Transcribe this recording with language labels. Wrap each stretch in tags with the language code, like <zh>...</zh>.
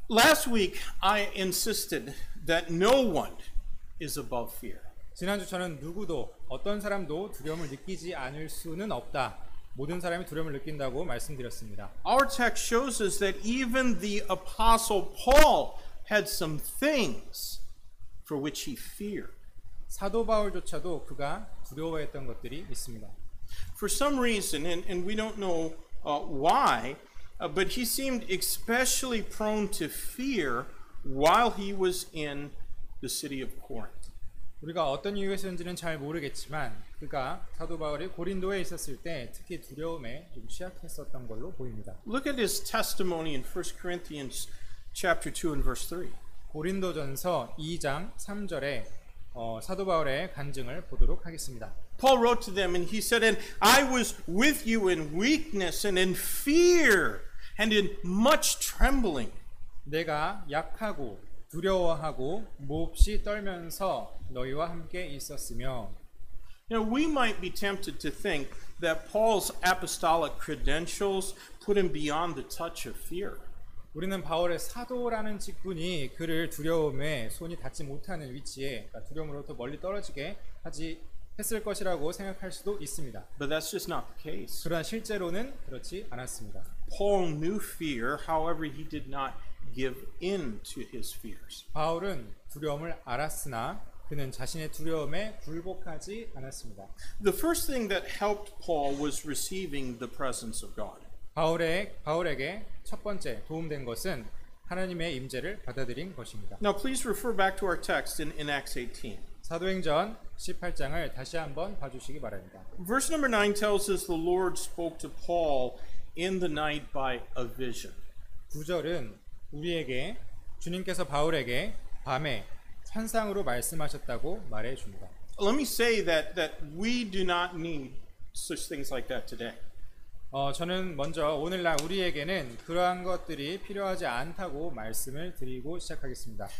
<en>Last week I insisted that no one is above fear.</en> <ko>지난주 저는 누구도 어떤 사람도 두려움을 느끼지 않을 수는 없다. 모든 사람이 두려움을 느낀다고 말씀드렸습니다.</ko> <en>Our text shows us that even the apostle Paul had some things for which he feared.</en> <ko>사도 바울조차도 그가 두려워했던 것들이 있습니다.</ko> <en>For some reason, and we don't know why, but he seemed especially prone to fear while he was in the city of Corinth.</en> <ko>우리가 어떤 이유에서인지는 잘 모르겠지만 그가 사도 바울이 고린도에 있었을 때 특히 두려움에 좀 취약했었던 걸로 보입니다.</ko> <en>Look at his testimony in 1 Corinthians chapter 2 and verse 3.</en> <ko>고린도전서 2장 3절에 사도 바울의 간증을 보도록 하겠습니다.</ko> <en>Paul wrote to them and he said, "And I was with you in weakness and in fear and in much trembling."</en> <ko>내가 약하고 두려워하고 몹시 떨면서 너희와 함께 있었으며.</ko> <en>Now we might be tempted to think that Paul's apostolic credentials put him beyond the touch of fear.</en> <ko>우리는 바울의 사도라는 직분이 그를 두려움에 손이 닿지 못하는 위치에 그러니까 두려움으로부터 멀리 떨어지게 하지 했을 것이라고 생각할 수도 있습니다.</ko> <en>But that's just not the case.</en> <ko>그러나 실제로는 그렇지 않았습니다.</ko> <en>Paul knew fear, however he did not give in to his fears.</en> <ko>바울은 두려움을 알았으나 그는 자신의 두려움에 굴복하지 않았습니다.</ko> <en>The first thing that helped Paul was receiving the presence of God.</en> <ko>바울에게 첫 번째 도움된 것은 하나님의 임재를 받아들인 것입니다.</ko> <en>Now please refer back to our text in Acts 18.</en> <ko>사도행전 18장을 다시 한번 봐주시기 바랍니다.</ko> <en>Verse number 9 tells us the Lord spoke to Paul in the night by a vision.</en> <ko>9절은 우리에게 주님께서 바울에게 밤에 환상으로 말씀하셨다고 말해 줍니다.</ko> <en>Let me say that we do not need such things like that today.</en> <ko>저는 먼저 오늘날 우리에게는 그러한 것들이 필요하지 않다고 말씀을 드리고 시작하겠습니다.</ko>